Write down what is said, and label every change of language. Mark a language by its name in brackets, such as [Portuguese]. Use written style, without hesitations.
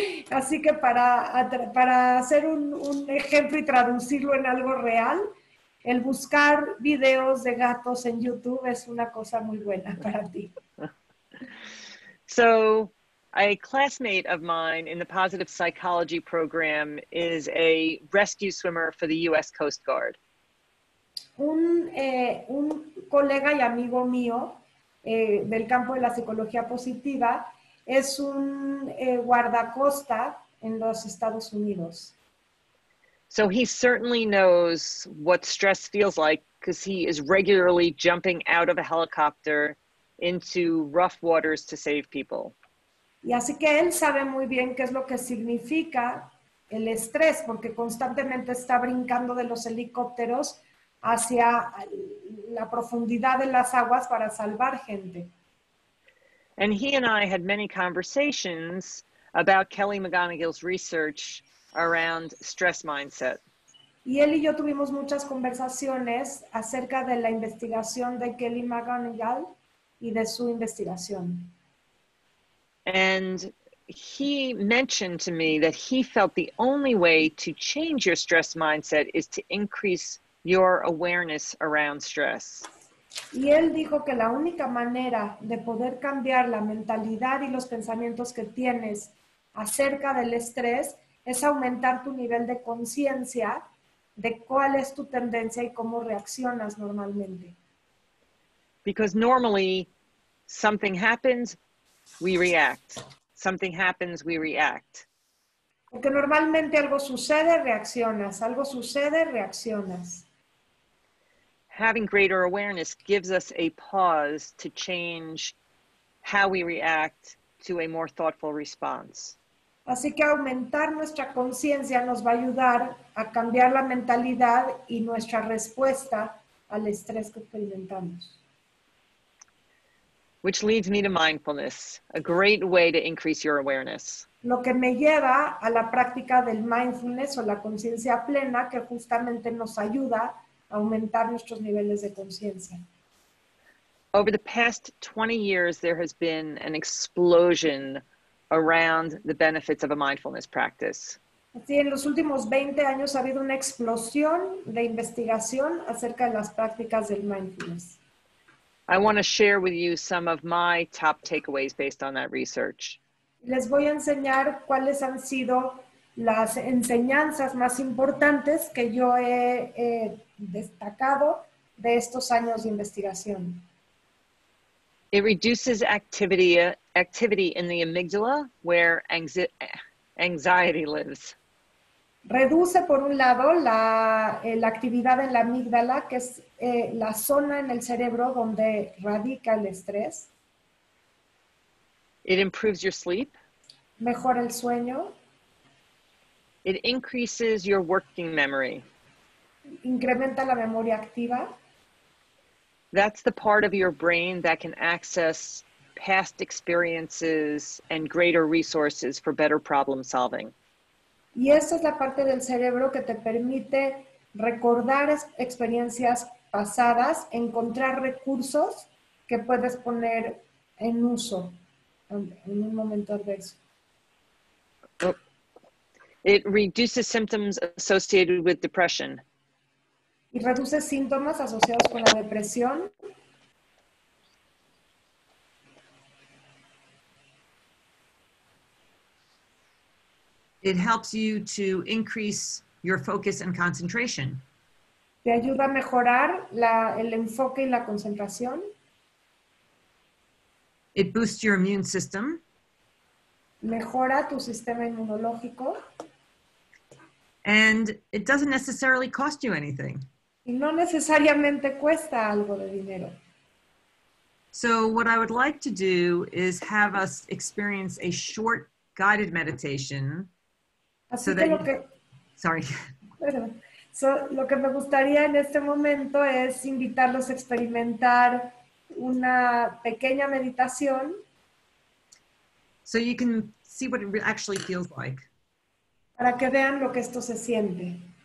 [Spanish] Así que para hacer un ejemplo y traducirlo en algo real, el buscar videos de gatos en YouTube es una cosa muy buena para ti. [English] So a classmate of mine in the positive psychology program is a rescue swimmer for the U.S. Coast Guard. [Spanish] Un colega y amigo mío del campo de la psicología positiva es un guardacosta en los Estados Unidos. [English] So he certainly knows what stress feels like because he is regularly jumping out of a helicopter into rough waters to save people. [Spanish] Y así que él sabe muy bien qué es lo que significa el estrés, porque constantemente está brincando de los helicópteros hacia la profundidad de las aguas para salvar gente. [English] And he and I had many conversations about Kelly McGonigal's research around stress mindset. [Spanish] Y él y yo tuvimos muchas conversaciones acerca de la investigación de Kelly McGonigal y de su investigación. [English] And he mentioned to me that he felt the only way to change your stress mindset is to increase your awareness around stress. [Spanish] Y él dijo que la única manera de poder cambiar la mentalidad y los pensamientos que tienes acerca del estrés es aumentar tu nivel de conciencia de cuál es tu tendencia y cómo reaccionas normalmente. [English] Because normally something happens, we react. Something happens, we react. [Spanish] Porque normalmente algo sucede, reaccionas. Algo sucede, reaccionas. [English] Having greater awareness gives us a pause to change how we react to a more thoughtful response. [Spanish] Así que aumentar nuestra conciencia nos va a ayudar a cambiar la mentalidad y nuestra respuesta al estrés que experimentamos. [English] Which leads me to mindfulness, a great way to increase your awareness. [Spanish] Lo que me lleva a la práctica del mindfulness o la conciencia plena, que justamente nos ayuda a aumentar nuestros niveles de conciencia. [English] Over the past 20 years, there has been an explosion around the benefits of a mindfulness practice. [Spanish] Sí, en los últimos 20 años ha habido una explosión de investigación acerca de las prácticas del mindfulness. [English] I want to share with you some of my top takeaways based on that research. [Spanish] Les voy a enseñar cuáles han sido las enseñanzas más importantes que yo he destacado de estos años de investigación. [English] It reduces activity in the amygdala where anxiety lives. [Spanish] Reduce, por un lado, la actividad en la amígdala, que es la zona en el cerebro donde radica el estrés. [English] It improves your sleep. [Spanish] Mejora el sueño. [English] It increases your working memory. [Spanish] Incrementa la memoria activa. [English] That's the part of your brain that can access past experiences and greater resources for better problem solving. [Spanish] Y esa es la parte del cerebro que te permite recordar experiencias pasadas, encontrar recursos que puedes poner en uso en un momento adverso. [English] It reduces symptoms associated with depression. [Spanish] Y reduce síntomas asociados con la depresión. [English] It helps you to increase your focus and concentration. [Spanish] Te ayuda a mejorar el enfoque y la concentración. [English] It boosts your immune system. [Spanish] Mejora tu sistema inmunológico. [English] And it doesn't necessarily cost you anything. [Spanish] Y no necesariamente cuesta algo de dinero. [English] So what I would like to do is have us experience a short guided meditation. [Spanish] Lo que me gustaría en este momento es invitarlos a experimentar una pequeña meditación. [English] So you can see what it actually feels like. [Spanish] Para que vean lo que esto se siente.